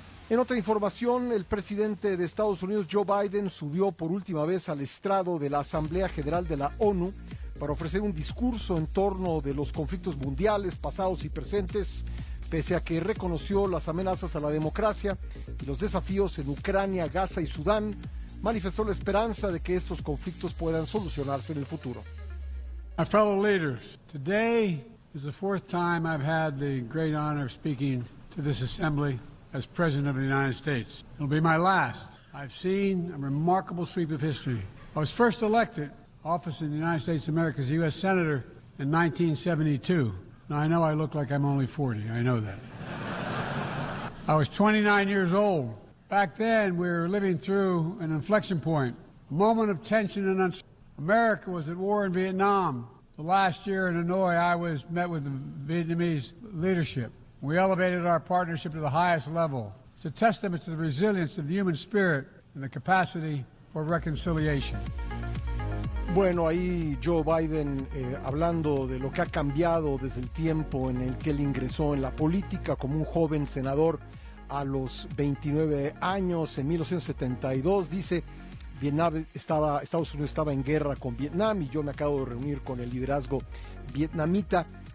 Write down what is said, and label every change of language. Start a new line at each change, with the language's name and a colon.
Spanish: En otra información, el presidente de Estados Unidos, Joe Biden, subió por última vez al estrado de la Asamblea General de la ONU para ofrecer un discurso en torno de los conflictos mundiales, pasados y presentes, pese a que reconoció las amenazas a la democracia y los desafíos en Ucrania, Gaza y Sudán, manifestó la esperanza de que estos conflictos puedan solucionarse en el futuro.
English: My fellow leaders, today is the fourth time I've had the great honor of speaking to this assembly as president of the United States. It'll be my last. I've seen a remarkable sweep of history. I was first elected office in the United States of America as a U.S. Senator in 1972. Now, I know I look like I'm only 40. I know that. I was 29 years old. Back then, we were living through an inflection point, a moment of tension and uncertainty. America was at war in Vietnam. The last year in Hanoi, I was met with the Vietnamese leadership. We elevated our partnership to the highest level. It's a testament to the resilience of the human spirit and the capacity for reconciliation.
Spanish: Bueno, ahí Joe Biden hablando de lo que ha cambiado desde el tiempo en el que él ingresó en la política como un joven senador a los 29 años en 1972. Dice, Estados Unidos estaba en guerra con Vietnam y yo me acabo de reunir con el liderazgo vietnamita.